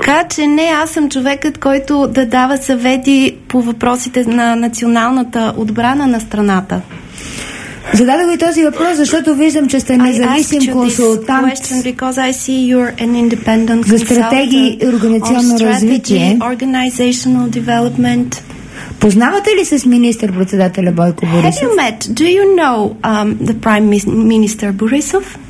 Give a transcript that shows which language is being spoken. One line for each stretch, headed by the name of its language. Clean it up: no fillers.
Bulgarian: Така че не аз съм човекът, който да дава съвети по въпросите на националната отбрана на страната. Зададох ви този въпрос, защото виждам, че сте независим консултант.
English: Question, because I see you're an independent consultant.
Bulgarian: За стратегии и организационно развитие.
English: Organizational development.
Bulgarian: Познавате ли се с министър-председателя Бойко Борисов?
English: Have you met? Do you know the Prime Minister Borisov?